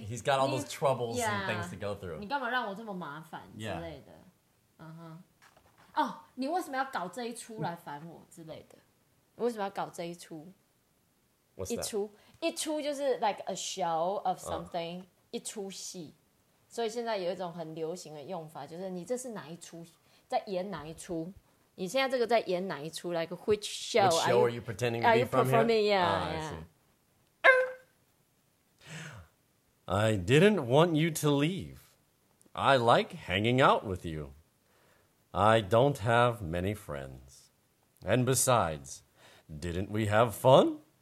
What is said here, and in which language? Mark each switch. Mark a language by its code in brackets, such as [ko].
[en] He's got all those troubles and things to go through. [zh] 你干嘛让我这么麻烦之类的? Uh-huh. Oh, 你为什么要搞这一出来烦我之类的? 你为什么要搞这一出? [en] What's [zh] 一出? [en] That? [zh] 一出就是 [en] like a show of something, [zh] 一出戏. 所以现在有一种很流行的用法, 就是你这是哪一出, 在演哪一出? 你现在这个在演哪一出? [en] Like which show? Which show are you pretending to be from here? Yeah, yeah. I see. I didn't want you to leave. I like hanging out with you. I don't have many friends. And besides, didn't we have fun?